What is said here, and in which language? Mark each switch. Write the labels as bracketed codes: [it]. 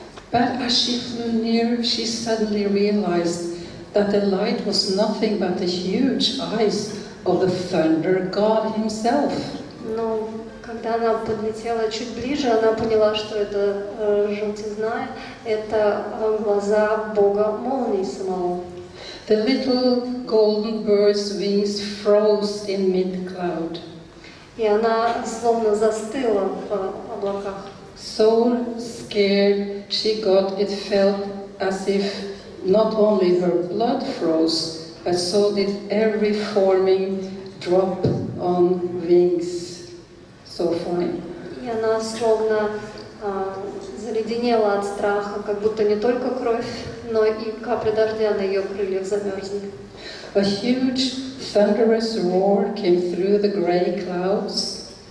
[en] But as she flew near, she suddenly realized that the light was nothing but the huge eyes of the thunder god himself. [ru] Но когда она подлетела чуть ближе, она поняла, что это желтизна, это глаза бога молнии самого. [en] The little golden bird's wings froze in mid-cloud. [ru] И она словно застыла в облаках. [en] So scared she got, it felt as if not only her blood froze, but so did every forming drop on wings. So fine. [ru] И она словно заледенела от страха, как будто не только кровь, но и капли дождя на ее крыльях замерзли. [en] A huge thunderous roar came through the gray clouds.